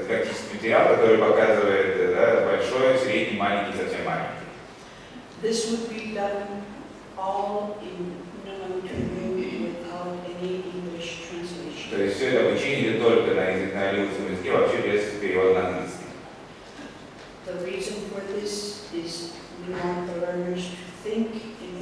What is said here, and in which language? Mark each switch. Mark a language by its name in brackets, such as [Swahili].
[Russian] который показывает, да, большой, средний, маленький, совсем маленький. [English] This would be done all in without any English translation. [Russian] То есть все это обучение только на иллюзорном языке, вообще без перевода на английский. [English] The reason for this is we want the learners to think in